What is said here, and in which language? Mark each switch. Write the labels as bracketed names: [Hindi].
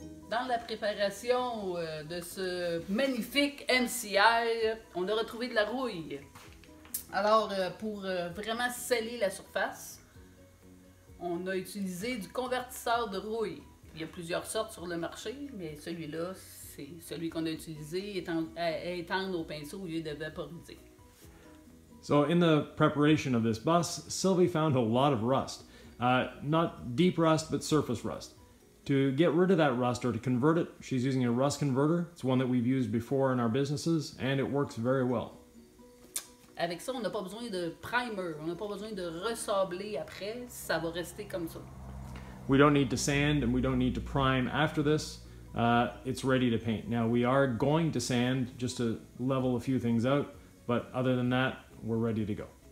[French] Dans la préparation de ce magnifique MCI, on a retrouvé de la rouille. Alors, pour vraiment sceller la surface, on a utilisé du convertisseur de rouille. Il y a plusieurs sortes sur le marché, mais celui-là, c'est celui qu'on a utilisé étendre au pinceau au lieu de vaporiser. [English] So in the preparation of this bus, Sylvie found a lot of rust. Not deep rust, but surface rust. To get rid of that rust or to convert it, she's using a rust converter. It's one that we've used before in our businesses, and it works very well. [French] Avec ça, on n'a pas besoin de primer. On n'a pas besoin de resabler après. Ça va rester comme ça. [English] We don't need to sand and we don't need to prime after this. It's ready to paint. Now, we are going to sand just to level a few things out, but other than that, we're ready to go.